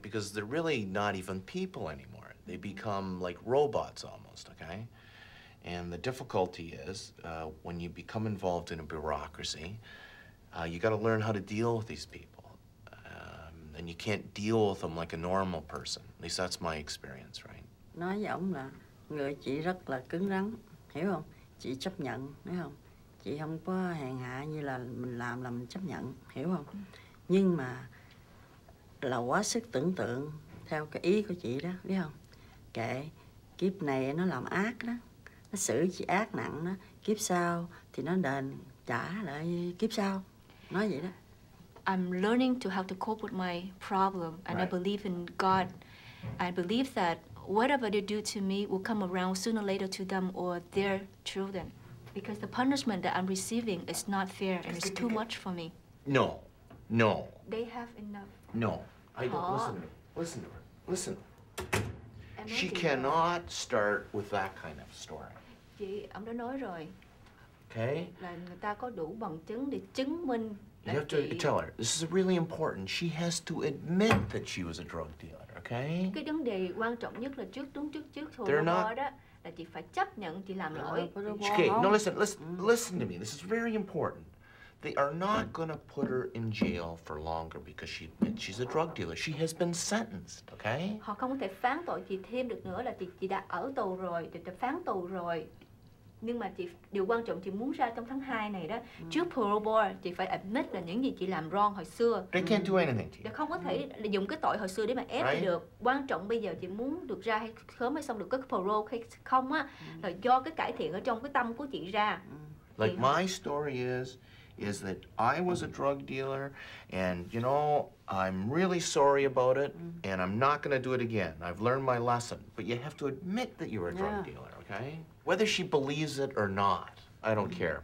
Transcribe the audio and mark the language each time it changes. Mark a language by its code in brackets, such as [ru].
[en] Because they're really not even people anymore. They become like robots almost, okay? And the difficulty is, when you become involved in a bureaucracy, you gotta learn how to deal with these people. And you can't deal with them like a normal person. At least that's my experience, right? [vi] Nói với ông là người chị rất là cứng rắn, hiểu không? Chị chấp nhận, thấy không? Chị không có hèn hạ như là mình chấp nhận, hiểu không? Nhưng mà là quá sức tưởng tượng theo cái ý của chị đó, biết không? Kệ, kiếp này nó làm ác đó, nó xử chị ác nặng đó, kiếp sau thì nó đền trả lại kiếp sau, nói vậy đó. [en] I'm learning to how to cope with my problem, and right. I believe in God. I believe that whatever they do to me will come around sooner or later to them or their children. Because the punishment that I'm receiving is not fair and it's too much for me. No, no. They have enough. No, I don't, listen to her. She cannot start with that kind of story. [vi] Chị, ông đã nói rồi. [en] Okay? [vi] Là người ta có đủ bằng chứng để chứng minh. [en] You have to tell her, this is really important. She has to admit that she was a drug dealer. Okay. [vi] Cái vấn đề quan trọng nhất là trước thôi. [en] They're not. [vi] Là chị phải chấp nhận chị làm lỗi. [en] Okay. No, listen to me. This is very important. They are not going to put her in jail for longer because she's a drug dealer. She has been sentenced, okay? [vi] Họ không thể phán tội chị thêm được nữa là chị đã ở tù rồi, chị đã phán tù rồi. Nhưng mà chị, điều quan trọng chị muốn ra trong tháng 2 này đó, trước parole board, chị phải admit là những gì chị làm wrong hồi xưa. [en] They can't do anything to you. [vi] Không có thể dùng cái tội hồi xưa để mà ép được. Quan trọng bây giờ chị muốn được ra hay sớm hay xong được cái parole hay không á, là do cái cải thiện ở trong cái tâm của chị ra. [en] Like my story is that I was a drug dealer and, you know, I'm really sorry about it and I'm not going to do it again. I've learned my lesson. But you have to admit that you're a drug dealer, okay? Whether she believes it or not, I don't care.